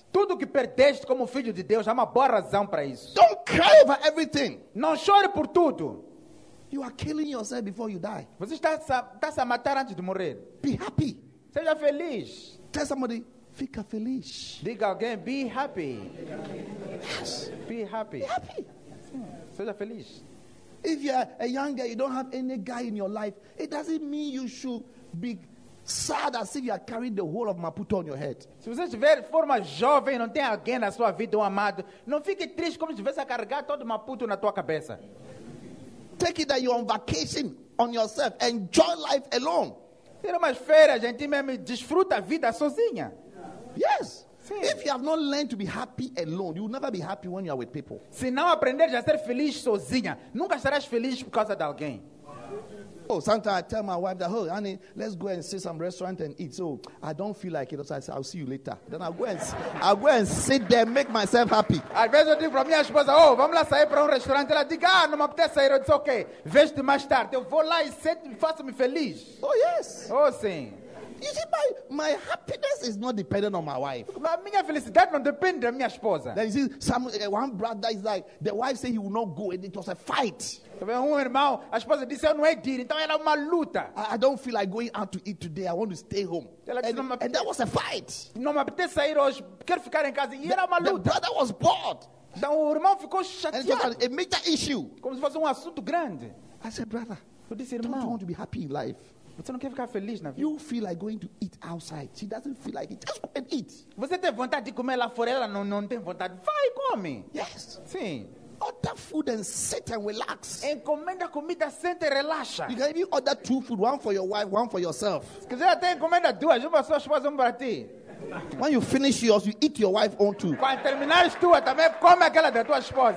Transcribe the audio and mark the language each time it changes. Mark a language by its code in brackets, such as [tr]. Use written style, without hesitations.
[pt] Tudo que perdeste como filho de Deus, há uma boa razão para isso. [en] Don't cry over everything. [pt] Não chore por tudo. [en] You are killing yourself before you die. [pt] Você está a matar antes de morrer. [en] Be happy. [pt] Seja feliz. [en] Tell somebody, [pt] fica feliz. Diga alguém, [en] be happy. Yes. Be happy. Be happy. [pt] Seja feliz. [en] If you're a young girl, you don't have any guy in your life, it doesn't mean you should be sad as if you are carrying the whole of Maputo on your head. [pt] Se você estiver for uma jovem, não tem alguém na sua vida, um amado, não fique triste como se estivesse a carregar todo Maputo na tua cabeça. [en] Take it that you're on vacation on yourself. Enjoy life alone. [pt] Tira umas férias, gente, mesmo desfruta a vida sozinha. [en] Yes. [pt] Sim. [en] If you have not learned to be happy alone, you will never be happy when you are with people. [pt] Se não aprender a ser feliz sozinha, nunca serás feliz por causa de alguém. [en] Oh, sometimes I tell my wife that, oh, honey, let's go and see some restaurant and eat. So I don't feel like it. So I say, I'll see you later. Then I'll go and sit there, make myself happy. [pt] Às vezes eu digo para minha esposa, oh, vamos lá sair para restaurante. Ela diz, ah, não me apetece sair. Eu digo, ok, vejo-te mais tarde. Eu vou lá e sento e faço-me feliz. [en] Oh, yes. [pt] Oh, sim. [en] You see, my happiness is not dependent on my wife. [pt] Mas minha felicidade não depende da minha esposa. [en] Then you see, one brother is like, the wife said he will not go, and it was a fight. [pt] Um irmão, a esposa disse, eu não ia ir, então era uma luta. [en] I don't feel like going out to eat today, I want to stay home. [pt] Ela disse, [en] and that was a fight. [pt] Não me apetece sair hoje, quero ficar em casa, e era uma luta. [en] The brother was bored. [pt] Então o irmão ficou chateado. [en] And a major issue. [pt] Como se fosse assunto grande. [en] I said, brother, [pt] eu disse, irmão, [en] don't you want to be happy in life? [pt] Você não quer ficar feliz na vida? [en] You feel like going to eat outside. She doesn't feel like it. Just go and eat. [pt] Você tem vontade de comer lá fora? Ela não tem vontade. Vai e come. [en] Yes. [pt] Sim. [en] Order food and sit and relax. [pt] Encomenda comida, senta e relaxa. [en] You can even order two food, one for your wife, one for yourself. [pt] Se quiser até encomenda duas, uma só, esposa, uma para ti. [en] When you finish yours, you eat your wife own too. [pt] Quando terminar tua, também come aquela da tua esposa.